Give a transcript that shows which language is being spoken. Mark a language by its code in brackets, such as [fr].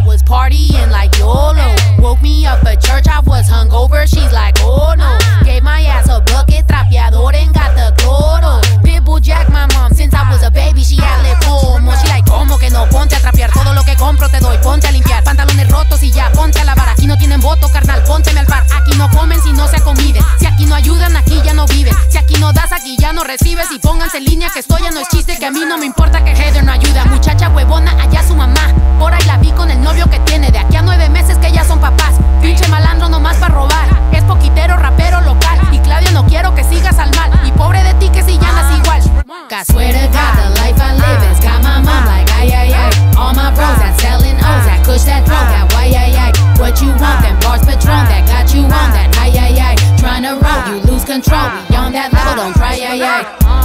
[en] Partying like YOLO. Woke me up at church, I was hungover. She's like, oh no. Gave my ass a bucket, trapeador, and got the cloro. Pitbull Jack, my mom, since I was a baby, she had le pomo. She like, [es] como que no, ponte a trapear. Todo lo que compro te doy, ponte a limpiar. Pantalones rotos y ya, ponte a lavar. Aquí no tienen voto, carnal, pónteme al par. Aquí no comen si no se acomiden. Si aquí no ayudan, aquí ya no viven. Si aquí no das, aquí ya no recibes. Y pónganse en línea, que esto ya no es chiste. Que a mí no me importa que Heather no ayuda. Muchacha huevona, allá su mamá. Por ahí la vi con el novio que tiene. De aquí a 9 meses que ya son papás. Pinche malandro nomás pa' robar. Es poquitero, rapero local. Y Claudio, no quiero que sigas al mal. Y pobre de ti que si ya andas igual. [en] I swear to God, the life I live has got my mom like AyAyAy. All my bros that selling O's, that kush, that throw, that AyAyAy. What you want, them bars Patron, that got you on that AyAyAy. Trying to roll, you lose control. Beyond that level, don't try AyAyAy.